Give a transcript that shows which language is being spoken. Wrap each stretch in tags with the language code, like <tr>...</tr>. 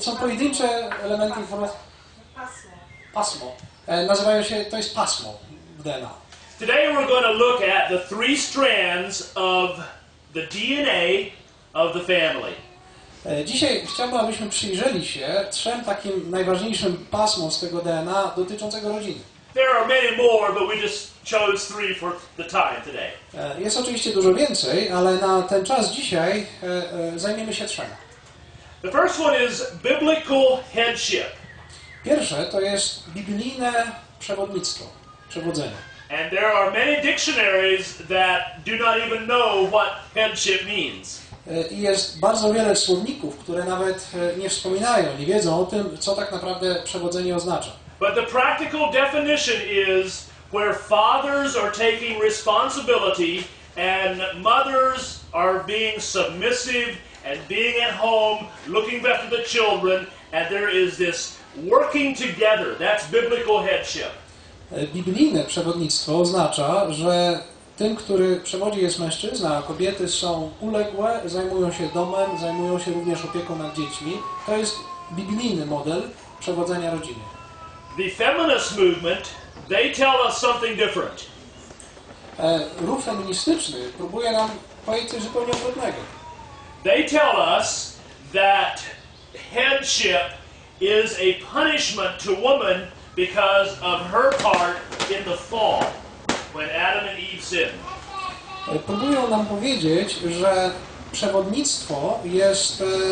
<pl>Są pojedyncze elementy informacji. Pasmo. Nazywają się, to jest pasmo w DNA.</pl> <en>Today we're going to look at the three strands of the DNA of the family.</en> <pl>Dzisiaj chciałbym, abyśmy przyjrzeli się trzem takim najważniejszym pasmom z tego DNA dotyczącego rodziny.</pl> <en>There are many more, but we just chose three for the time today.</en> <pl>Jest oczywiście dużo więcej, ale na ten czas dzisiaj zajmiemy się trzema.</pl> <en>The first one is biblical headship.</en> <pl>Pierwsze to jest biblijne przewodnictwo, przewodzenie.</pl> <en>And there are many dictionaries that do not even know what headship means.</en> <pl>I jest bardzo wiele słowników, które nawet nie wspominają, nie wiedzą o tym, co tak naprawdę przewodzenie oznacza.</pl> <en>But the practical definition is where fathers are taking responsibility and mothers are being submissive and being at home looking after the children, and there is this working together. That's biblical headship.</en> <pl>Biblijne przewodnictwo oznacza, że tym, który przewodzi, jest mężczyzna, a kobiety są uległe, zajmują się domem, zajmują się również opieką nad dziećmi. To jest biblijny model przewodzenia rodziny.</pl> <en>The feminist movement, they tell us something different.</en> <pl>Ruch feministyczny próbuje nam powiedzieć coś zupełnie odwrotnego.</pl> <en>They tell us that headship is a punishment to woman because of her part in the fall. When Adam and Eve sinned.</en> <pl>Próbują nam powiedzieć, że przewodnictwo jest</pl>